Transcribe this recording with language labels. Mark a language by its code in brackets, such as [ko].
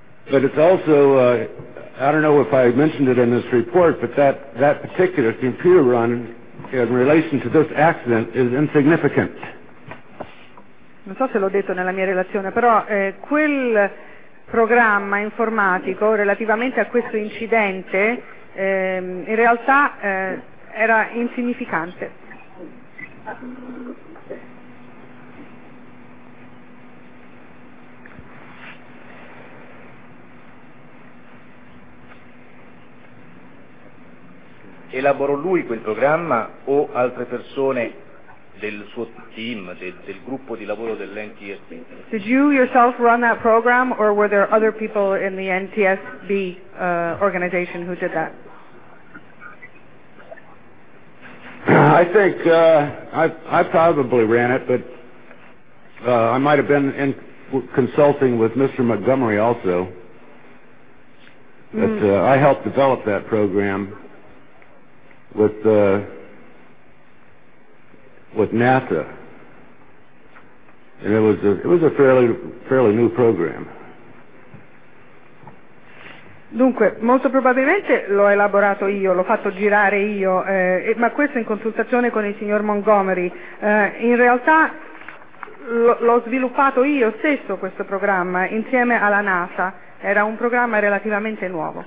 [en] But it's also I don't know if I mentioned it in this report, but that particular computer run in relation to this accident is insignificant. [it] Non so se l'ho detto nella mia relazione, però quel programma informatico relativamente a questo incidente in realtà era insignificante. Elaborò lui quel programma o altre persone del suo team, del gruppo di lavoro dell'NTSB? [en] Did you yourself run that program or were there other people in the NTSB organization who did that? I think I probably ran it, but I might have been in consulting with Mr. Montgomery also. But I helped develop that program with NASA, and it was a fairly new program. [it] Dunque, molto probabilmente l'ho elaborato io, l'ho fatto girare io, ma questo in consultazione con il signor Montgomery. In realtà l'ho sviluppato io stesso questo programma, insieme alla NASA. Era un programma relativamente nuovo.